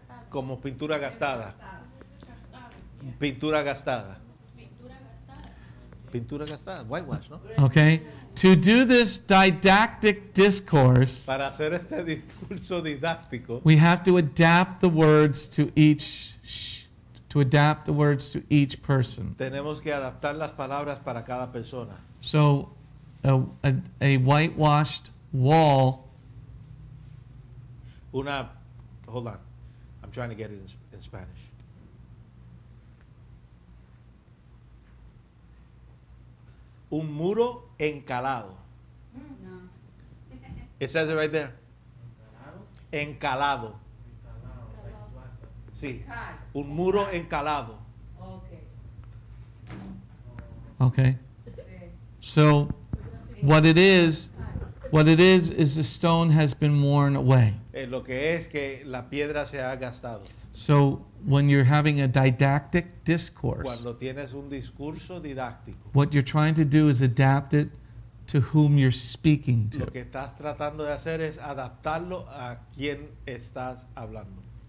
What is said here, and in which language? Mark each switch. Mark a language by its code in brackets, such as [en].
[es] como pintura gastada. Pintura gastada. Pintura gastada, whitewash, ¿no? [en] Okay. To do this didactic discourse, [es] para hacer este discurso didáctico, [en] we have to adapt the words to each person. [es] Tenemos que adaptar las palabras para cada persona. [en] So a whitewashed wall. Una, hold on. I'm trying to get it in Spanish. [es] Un muro encalado. No. [en] It says it right there. Encalado. [es] Sí. Un muro encalado. [en] Okay. So, what it is the stone has been worn away. [es] Lo que es que la piedra se ha gastado. [en] So, when you're having a didactic discourse, [es] cuando tienes un discurso didáctico, [en] what you're trying to do is adapt it to whom you're speaking to. [es] Lo que estás tratando de hacer es adaptarlo a quien estás hablando.